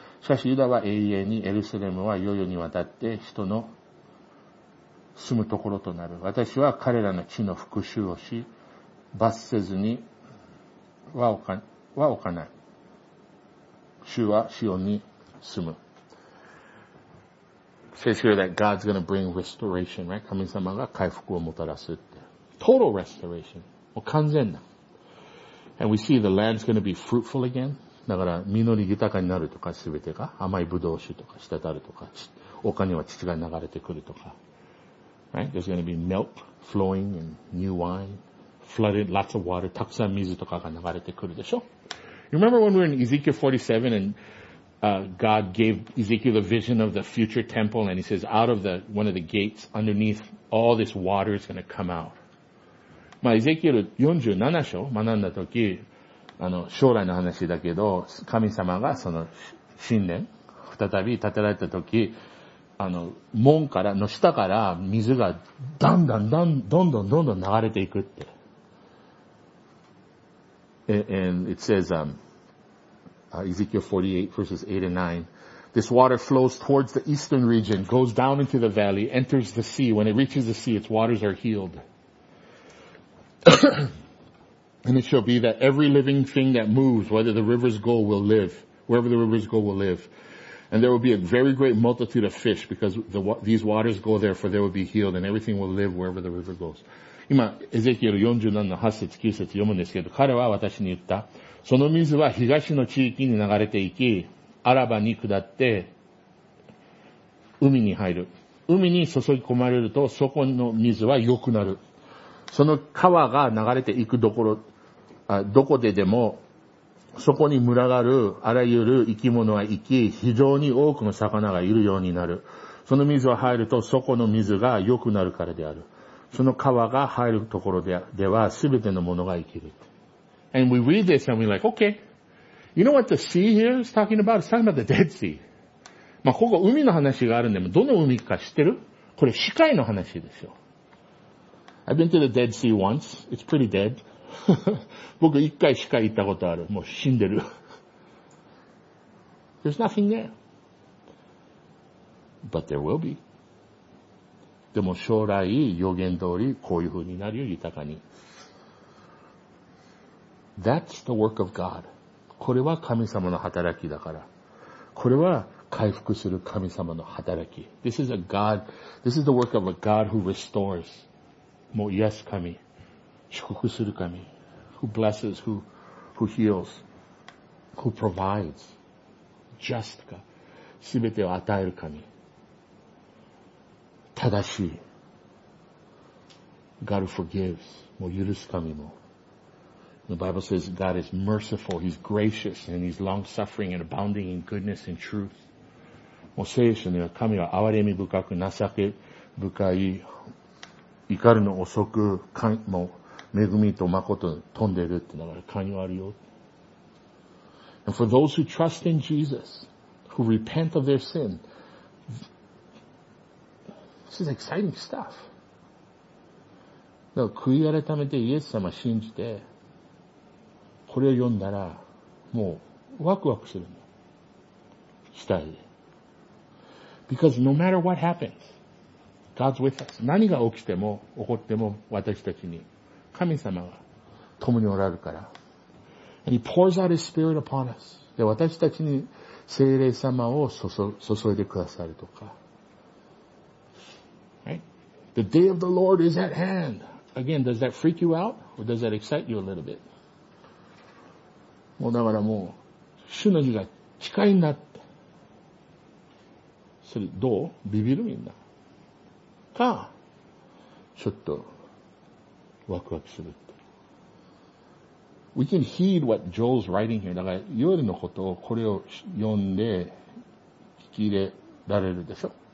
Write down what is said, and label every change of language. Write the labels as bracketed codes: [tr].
[ja] しかしユダは永遠に、エルサレムは世々にわたって人の住むところとなる。私は彼らの地の復讐をし、罰せずにはおかない。主はシオンに住む。 [en] Says here that God's going to bring restoration, right? [ja] 神様が回復をもたらすって。 [en] Total restoration. [ja] もう完全な。 [en] And we see the land's going to be fruitful again. [ja] だから、実り豊かになるとか、すべてが。甘い葡萄酒とか、滴るとか、丘には乳が流れてくるとか。 [en] Right? There's going to be milk flowing and new wine. Flooded, lots of water. [ja] たくさん水とかが流れてくるでしょ。 [en] You remember when we were in Ezekiel 47 and, God gave Ezekiel the vision of the future temple and he says out of one of the gates underneath all this water is going to come out. [ja] まあ、Ezekiel 47章学んだ時、将来の話だけど、神様がその神殿、再び建てられた時、門から、の下から水がだんだんだん、どんどんどんどん流れていくって。 [en] And it says, Ezekiel 48 verses 8 and 9. This water flows towards the eastern region, goes down into the valley, enters the sea. When it reaches the sea, its waters are healed. And it shall be that every living thing that moves, whether the rivers go, will live. Wherever the rivers go, will live. And there will be a very great multitude of fish because these waters go there for they will be healed and everything will live wherever the river goes. [ja] 今、エゼキエル47の8節、9節読むんですけど、彼は私に言った。その水は東の地域に流れていき、アラバに下って、海に入る。海に注ぎ込まれると、そこの水は良くなる。その川が流れていくところ、どこででも、そこに群がるあらゆる生き物は生き、非常に多くの魚がいるようになる。その水は入ると、そこの水が良くなるからである。その川が入るところでは全てのものが生きる。 [en] And we read this and we're like, okay. You know what the sea here is talking about? It's talking about the Dead Sea. [ja] まあ、ここ海の話があるんで、どの海か知ってる？これ死海の話ですよ。 [en] I've been to the Dead Sea once. It's pretty dead. [ja] 僕一回死海行ったことある。もう死んでる。 [en] There's nothing there. But there will be. [ja] でも将来予言通りこういう風になるよ、豊かに。 [en] That's the work of God. [ja] これは神様の働きだから。これは回復する神様の働き。 [en] This is the work of a God who restores. [ja] もう癒す神。祝福する神。 [en] Who blesses, who heals, who provides. Just God. [ja] 全てを与える神。正しい。 [en] God forgives. [ja] もう許す神も。 [en] The Bible says God is merciful, He's gracious, and He's long-suffering and abounding in goodness and truth. [ja] もう聖書には神は憐れみ深く、情け深い、怒るの遅く、もう恵みと誠に富んでるってだから寛容あるよ。 [en] And for those who trust in Jesus, who repent of their sin,This is exciting stuff. [ja] だから、悔い改めてイエス様信じて、これを読んだら、もう、ワクワクするの。したい。 [en] Because no matter what happens, God's with us. [ja] 何が起きても、起こっても、私たちに、神様が、共におられるから。 [en] And He pours out His Spirit upon us. [ja] で、私たちに、聖霊様を注いでくださるとか。 [en] The day of the Lord is at hand. Again, does that freak you out? Or does that excite you a little bit? [ja] もうだからもう、主の日が近いんだって。それどう？ビビるみんな。か、ちょっとワクワクするって。 [en] We can heed what Joel's writing here. [ja] だからヨエルのことをこれを読んで聞き入れられるでしょ。